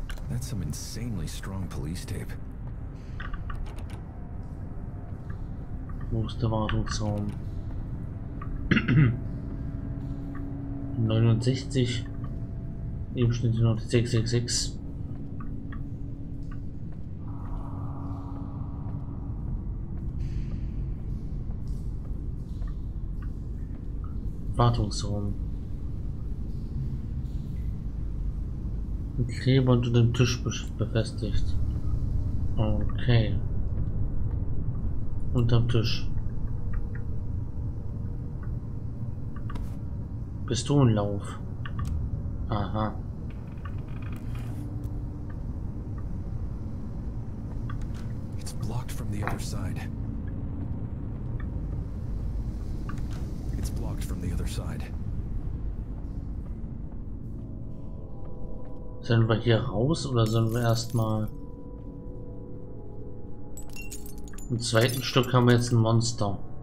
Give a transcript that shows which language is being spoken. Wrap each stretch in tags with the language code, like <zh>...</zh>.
<en>That's some insanely strong police tape.</en> <de>Wo ist der Wartungsraum? 69 eben steht hier noch 666. Wartungsraum. Ein Kleber unter dem Tisch befestigt. Okay. Unterm Tisch. Pistolenlauf. Aha.</de> <en>It's blocked from the other side. It's blocked from the other side.</en> <de>Sollen wir hier raus oder sollen wir erstmal? Im zweiten Stück haben wir jetzt ein Monster.</de>